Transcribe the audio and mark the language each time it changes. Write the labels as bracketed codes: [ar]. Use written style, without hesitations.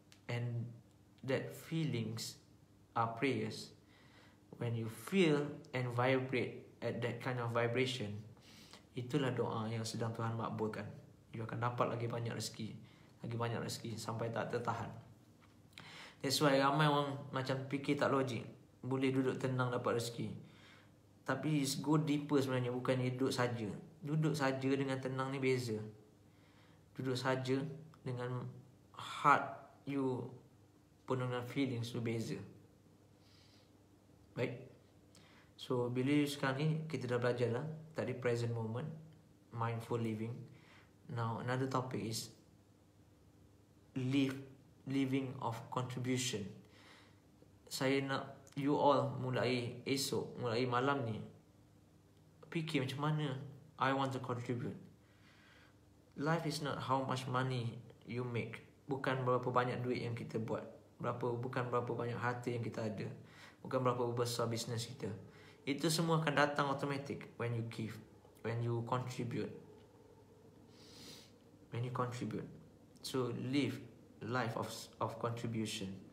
[en] And that feelings are prayers. When you feel and vibrate at that kind of vibration, [ms] itulah doa yang sedang Tuhan makbulkan. You akan dapat lagi banyak rezeki, lagi banyak rezeki sampai tak tertahan. [en] That's why [ms] ramai orang macam fikir tak logik, boleh duduk tenang dapat rezeki. Tapi [en] it's go deeper [ms] sebenarnya, bukan duduk saja. Duduk saja dengan tenang ni beza. Duduk saja dengan heart you penuh dengan feelings tu beza. Baik. So bila sekarang ni kita dah belajar lah tadi [en] present moment, mindful living. Now another topic is living of contribution. [ms] Saya nak you all mulai esok, mulai malam ni, fikir macam mana [en] I want to contribute. Life is not how much money you make. [ms] Bukan berapa banyak duit yang kita buat, bukan berapa banyak harta yang kita ada, bukan berapa besar business kita. Itu semua akan datang [en] automatic when you give, when you contribute. When you contribute. So live life of contribution.